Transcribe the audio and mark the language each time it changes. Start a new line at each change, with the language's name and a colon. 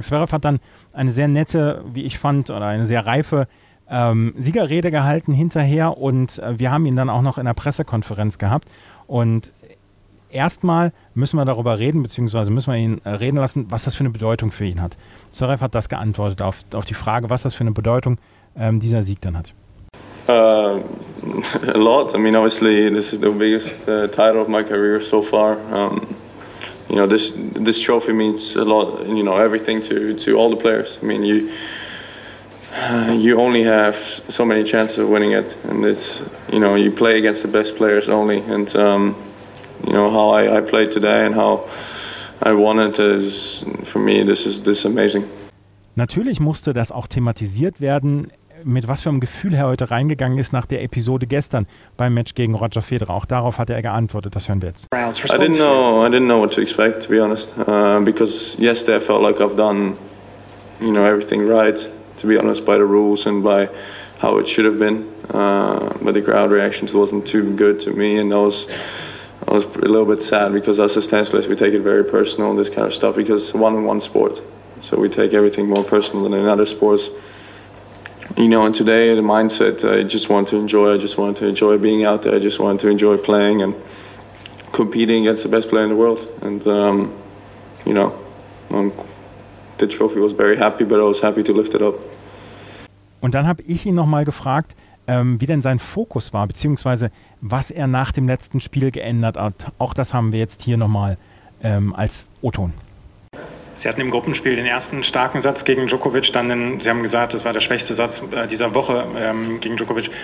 German: Zverev hat dann eine sehr nette, wie ich fand, oder eine sehr reife Siegerrede gehalten hinterher und wir haben ihn dann auch noch in der Pressekonferenz gehabt und erstmal müssen wir darüber reden, beziehungsweise müssen wir ihn reden lassen, was das für eine Bedeutung für ihn hat. Zverev hat das geantwortet auf die Frage, was das für eine Bedeutung dieser Sieg dann hat.
English: A lot. I mean, obviously this is the biggest title of my career so far. You know, this trophy means a lot, you know, everything to all the players. I mean, you only have so many chances of winning it, and it's, you know, you play against the best players only, and you know how I played today and how I won it is for me this is amazing. Natürlich musste das auch thematisiert werden, mit was für einem Gefühl er heute reingegangen ist nach der Episode gestern beim Match gegen Roger Federer. Auch darauf hat er geantwortet. Das hören wir jetzt. I didn't know what to expect, to be honest, because yesterday I felt like I've done, you know, everything right. To be honest, by the rules and by how it should have been, but the crowd reactions wasn't too good to me, and I was a little bit sad because us as tennis players, we take it very personal, this kind of stuff, because it's one-on-one sport, so we take everything more personal than in other sports. You know, and today the mindset, I just wanted to enjoy being out there, I just wanted to enjoy playing and competing against the best player in the world, and you know, the trophy was very happy, but I was happy to lift it up.
German: Und dann habe ich ihn nochmal gefragt, wie denn sein Fokus war, beziehungsweise was er nach dem letzten Spiel geändert hat. Auch das haben wir jetzt hier nochmal als O-Ton. Sie hatten im Gruppenspiel den ersten starken Satz gegen Djokovic, Sie haben gesagt, das war der schwächste Satz dieser Woche gegen Djokovic.